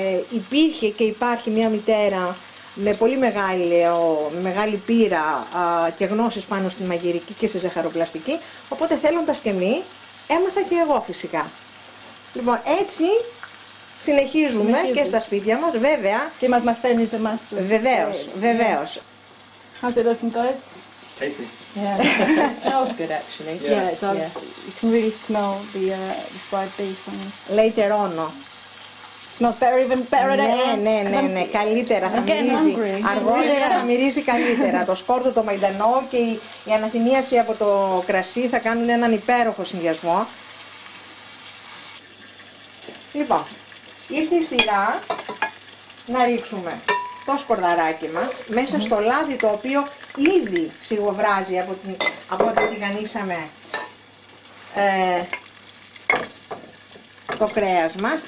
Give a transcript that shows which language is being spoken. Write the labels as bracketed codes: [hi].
[el] Υπήρχε και υπάρχει μια μητέρα με πολύ μεγάλη πείρα και γνώσεις πάνω στη μαγειρική και στη ζαχαροπλαστική, οπότε θέλοντας και μη, έμαθα και εγώ φυσικά. Λοιπόν, έτσι συνεχίζουμε και στα σπίτια μας, βέβαια. Και μας μαθαίνεις εμάς τους. Βεβαίως, βεβαίως. [en] How's it looking, guys? Tasty. Yeah, it smells good actually. Yeah, it does. Yeah. You can really smell the fried beef. Later on. Smells better, even better than ever. [el] Ναι, καλύτερα θα μυρίζει. Αργότερα θα μυρίζει καλύτερα. Το σκόρδο, το μαϊντανό και η αναθυμίαση από το κρασί θα κάνουν έναν υπέροχο συνδυασμό. Λοιπόν, ήρθε η σειρά να ρίξουμε το σκορδαράκι μας μέσα στο λάδι το οποίο ήδη σιγοβράζει από όταν τηγανίσαμε το κρέας μας.